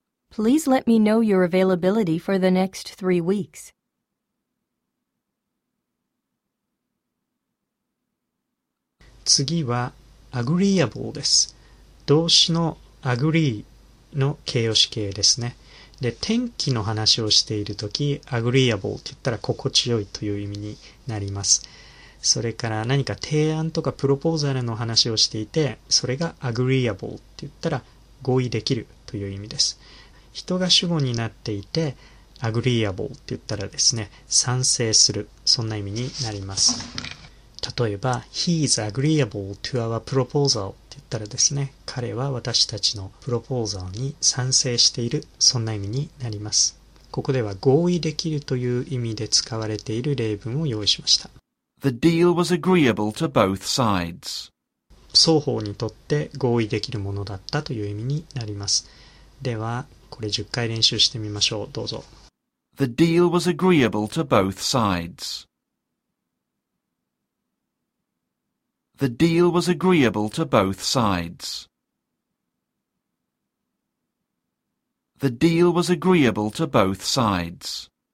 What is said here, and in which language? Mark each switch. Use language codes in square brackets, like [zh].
[en] Please let me know your availability for the next 3 weeks. [ja] Agreeable です。動詞の agree の形容詞形ですね。で、天気の話をしているとき、agreeable って言ったら心地よいという意味になります。それから何か提案とかプロポーザルの話をしていて、それが agreeable って言ったら合意できるという意味です。人が主語になっていて、agreeable って言ったらですね、賛成する、そんな意味になります。例えば、 [en] he is agreeable to our proposal [ja] って言ったらですね、彼は私たちのプロポーザーに賛成している、そんな意味になります。ここでは合意できるという意味で使われている例文を用意しました。 [en] The deal was agreeable to both sides. [ja] 双方にとって合意できるものだったという意味になります。では、これ10回練習してみましょう。どうぞ。 [en] The deal was agreeable to both sides. The deal was agreeable to both sides. The deal was agreeable to both sides.